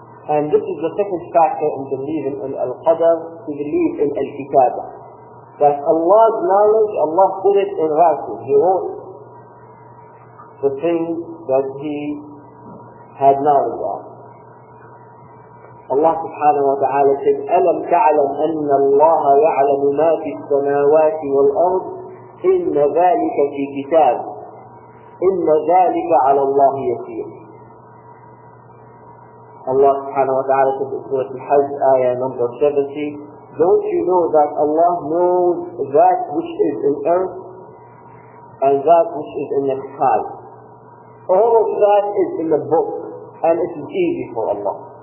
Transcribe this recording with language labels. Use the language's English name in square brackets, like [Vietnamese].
[English] And this is the second factor in believing in Al-Qadr, to believe in Al-Kitabah. That Allah's knowledge, Allah put it in writing. He wrote the things that He had knowledge of. Allah subhanahu wa ta'ala said, [Arabic] أَلَمْ تَعْلَمْ أَنَّ اللَّهَ يَعْلَمُ مَا فِي السَّمَاوَاتِ وَالْأَرْضِ إِنَّ ذَلِكَ فِي كِتَابٍ إِنَّ ذَلِكَ عَلَى اللَّهِ يَسِيرٌ. [English] Allah subhanahu wa ta'ala said in Surah Al-Hajj, ayah number 70, don't you know that Allah knows that which is in earth and that which is in the sky? All of that is in the book, and it is easy for Allah.